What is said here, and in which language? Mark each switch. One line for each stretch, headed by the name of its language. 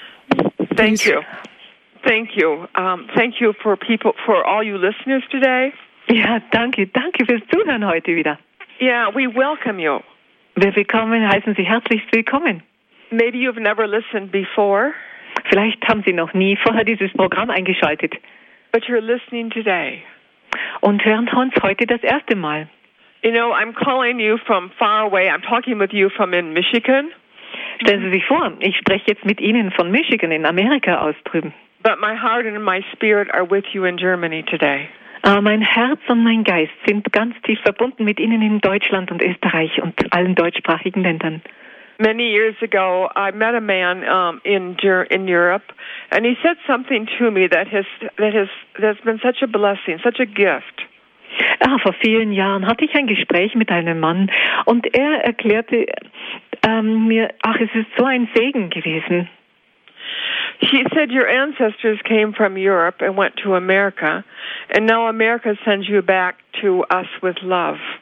English: Thank you. Thank you. Thank you for all you listeners today.
German: Ja, danke. Danke fürs Zuhören heute wieder.
English: Yeah, we welcome you.
German: Wir willkommen, heißen Sie herzlich willkommen.
English: Maybe you've never listened before.
German: Vielleicht haben Sie noch nie vorher dieses Programm eingeschaltet.
English: But you're listening today.
German: Und hören uns heute das erste Mal.
English: You know, I'm calling you from far away. I'm talking with you from in Michigan.
German: Stellen Sie sich vor, ich spreche jetzt mit Ihnen von Michigan in Amerika aus drüben.
English: But my heart and my spirit are with you in Germany today.
German: Mein Herz und mein Geist sind ganz tief verbunden mit Ihnen in Deutschland und Österreich und allen deutschsprachigen Ländern.
English: Many years ago, I met a man in Europe, and he said something to me that has been such a blessing, such a gift.
German: Vor vielen Jahren hatte ich ein Gespräch mit einem Mann, und er erklärte mir, es ist so ein Segen gewesen.
English: He said your ancestors came from Europe and went to America, and now America sends you back to us with love.